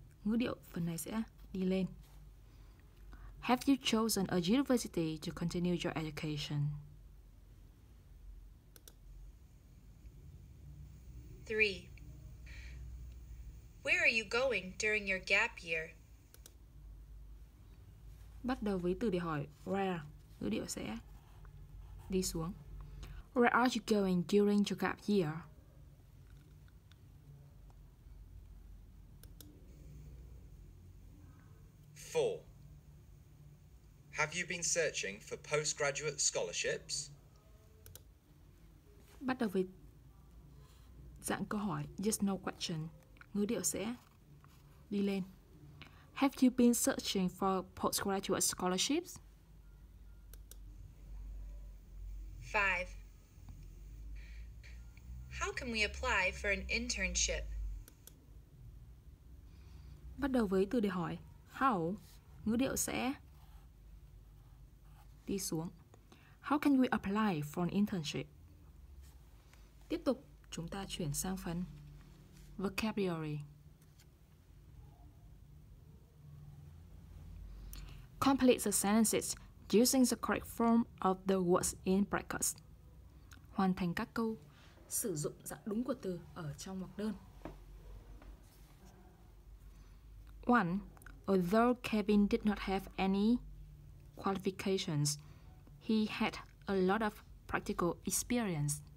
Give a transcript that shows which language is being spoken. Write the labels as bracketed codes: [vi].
[vi] Ngữ điệu phần này sẽ đi lên. [en] Have you chosen a university to continue your education? 3. Where are you going during your gap year? [vi] Bắt đầu với từ để hỏi where. Ngữ điệu sẽ đi xuống. [en] Where are you going during your gap year? 4. Have you been searching for postgraduate scholarships? [vi] Bắt đầu với dạng câu hỏi [en] just no question. [vi] Ngữ điệu sẽ đi lên. [en] Have you been searching for postgraduate scholarships? 5. How can we apply for an internship? [vi] Bắt đầu với từ để hỏi how. Ngữ điệu sẽ đi xuống. [en] How can we apply for an internship? [vi] Tiếp tục, chúng ta chuyển sang phần vocabulary. [en] Complete the sentences using the correct form of the words in brackets. [vi] Hoàn thành các câu sử dụng dạng đúng của từ ở trong ngoặc đơn. [en] 1. Although Kevin did not have any qualifications, he had a lot of practical experience.